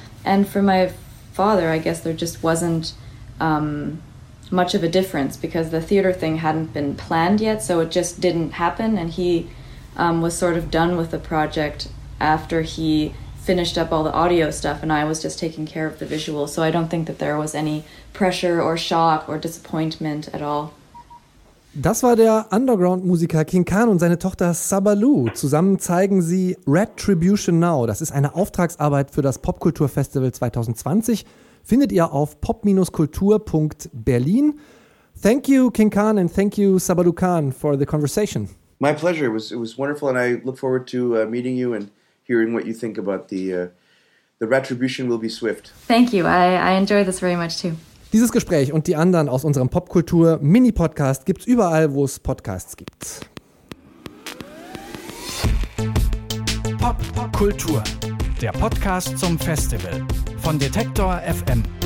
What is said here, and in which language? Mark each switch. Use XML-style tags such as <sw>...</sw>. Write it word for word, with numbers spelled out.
<en>And for my father, I guess there just wasn't Um, much of a difference, because the theater thing hadn't been planned yet, so it just didn't happen, and he um, was sort of done with the project after he finished up all the audio stuff, and I was just taking care of the visual, so I don't think that there was any pressure or shock or disappointment at all.</en> <de>Das war der Underground-Musiker King Khan und seine Tochter Sabalu. Zusammen zeigen sie Retribution Now. Das ist eine Auftragsarbeit für das Popkulturfestival zwanzig zwanzig. Findet ihr auf pop dash kultur punkt berlin.</de> <en>Thank you, King Khan, and thank you, Sabalu Khan, for the conversation. My pleasure. It was it was wonderful, and I look forward to uh, meeting you and hearing what you think about the uh, the retribution will be swift. Thank you. I, I enjoy this very much too.</en> <de>Dieses Gespräch und die anderen aus unserem Popkultur-Mini-Podcast gibt's überall, wo es Podcasts gibt. Popkultur, der Podcast zum Festival von Detektor F M.</de>